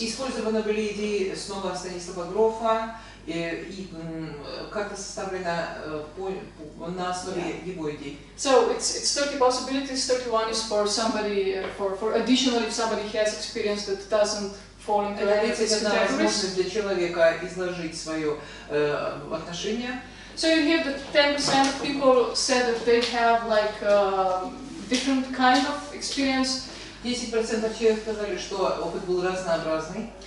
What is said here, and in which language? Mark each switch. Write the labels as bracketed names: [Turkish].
[Russian] Использованы были идеи снова Станислава Грофа, и как-то составлено на основе его идей. [English] So it's 30 possibilities, 31 is for somebody, for additional, if somebody has experience that doesn't fall into any of these categories. [Russian] Это возможность для человека изложить свое отношение. [English] So you hear that 10% of people said that they have like different kind of experience. [Russian] 10% человек сказали, что опыт был разнообразный.